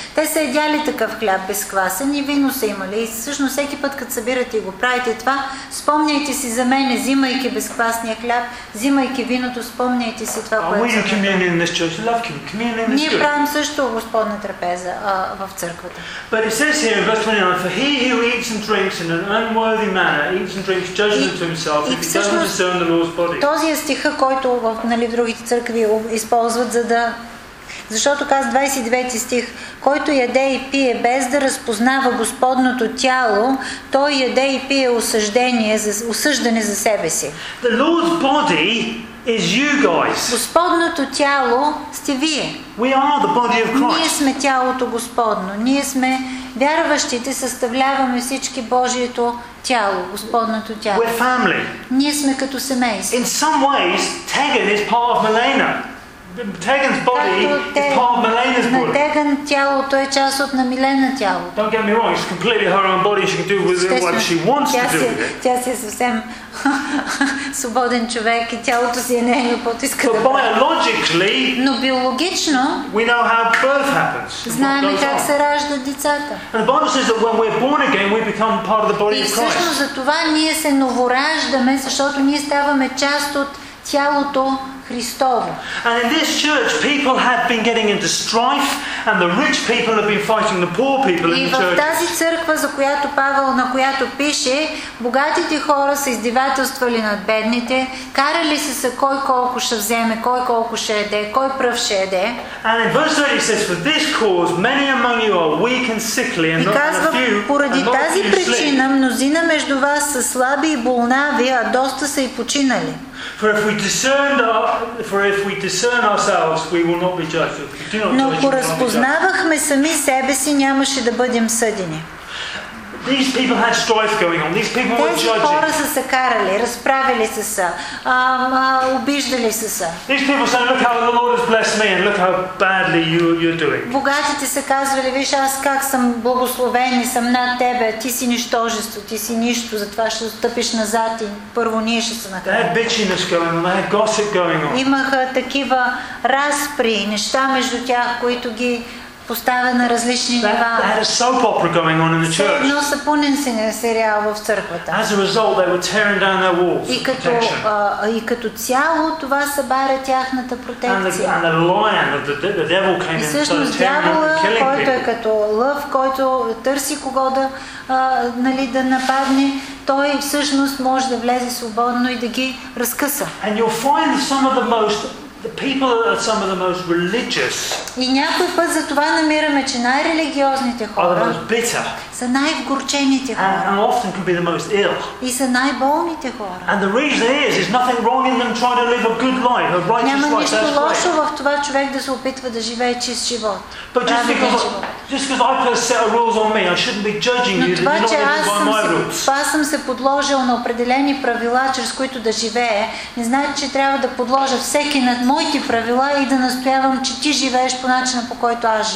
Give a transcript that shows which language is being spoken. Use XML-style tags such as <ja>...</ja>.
<bg>Те са едяли такъв хляб безквасен и вино са имали. И всъщност всеки път, като събирате и го правите това, спомняйте си за мене, взимайки безквасния хляб, взимайки виното, спомняйте си това, което за мене. Ние правим също Господна трапеза в църквата.</bg> <en>But it says here in verse 29, for he who eats and drinks in an unworthy manner eats and drinks judgment to himself, and he doesn't discern the Lord's body.</en> <bg>Този е стиха, който в, нали, другите църкви използват, за да... Защото казва 29 стих, който яде и пие без да разпознава Господното тяло, той яде и пие осъждение, осъждане за себе си.</bg> <en>The Lord's body is you guys.</en> <bg>Господното тяло сте вие.</bg> <en>We are the body of Christ.</en> <bg>Ние сме тялото Господно. Ние сме вярващите, съставляваме всички Божието тяло, Господното тяло.</bg> <en>We're family.</en> <bg>Ние сме като семейство.</bg> <en>In some ways, Tegan is part of Milena. Tegan's body is part of Milena's body.</en> <bg>Tegan тялото е част от на Милена тяло.</bg> <en>Don't get me wrong, it's completely her own body. She can do with it what she wants to do.</en> <bg>Тя си е съвсем свободен човек и тялото си е нейно, каквото иска да прави. Но биологично</bg> <en>we know how birth happens.</en> <bg>Знаем как се раждат децата.</bg> <en>And the Bible says that when we're born again, we become part of the body of Christ.</en> <bg>И всъщност за това ние се новораждаме, защото ние ставаме част от тялото Христово.</bg> <en>And in this church, people have been getting into strife, and the rich people have been fighting the poor people in the church.</en> <bg>И в тази църква, за която Павел, на която пише, богатите хора са издевателствали над бедните, карали се са кой колко ще вземе, кой колко ще еде, кой пръв ще еде.</bg> <en>And in verse 30 says, for this cause, many among you are weak and sickly, and not a few sleep.</en> <bg>И казва, поради тази причина, мнозина между вас са слаби и болнави, а доста са и починали.</bg> <en>For if we discern ourselves, we will not be judged. If we do not judge,</en> <bg>но ако разпознавахме сами себе си, нямаше да бъдем съдени.</bg> <en>These people had strife going on. These people were judging.</en> <bg>Тези хора са се карали, разправили се са, обиждали се са.</bg> <en>These people said, look how the Lord has blessed me, and look how badly you're doing.</en> <bg>Богатите са казвали, виж аз как съм благословен, съм над тебе, ти си нищожество, ти си нищо, затова ще стъпиш назад и първо ние ще се накараме.</bg> <en>They had bitchiness going on, they had gossip going on.</en> <bg>Имаха такива разпри, неща между тях, които ги поставя на различни нива.</bg> <en>They had a soap opera going on in the church.</en> <bg>Но сапунен сериал в църквата.</bg> <en>As a result, they were tearing down their walls.</en> <bg>И като, и като цяло това събаря тяхната протекция.</bg> <en>And the lion, the devil came in.</en> <bg>И всъщност дявола, който е като лъв, който търси кого да, нали, да нападне, той всъщност може да влезе свободно и да ги разкъса.</bg> <en>And you'll find some of the most the people are some of the most religious.</en> <bg>И някой път за това намираме, че най-религиозните хора са най-вгорчените хора.</bg> <en>And often can be the most ill.</en> <bg>И са най-болните хора.</bg> <en>And the reason is nothing wrong in them trying to live a good life, a righteous life.</en> <bg>Няма нищо лошо в това човек да се опитва да живее чист живот.</bg> <en>But just because I set a rules on me, I shouldn't be judging you.</en> <bg>Това, че аз съм се подложил на определени правила, чрез които да живее, не значи, че трябва да подложа всеки на моите правила и да настоявам, че ти живееш по начина, по който аз</bg>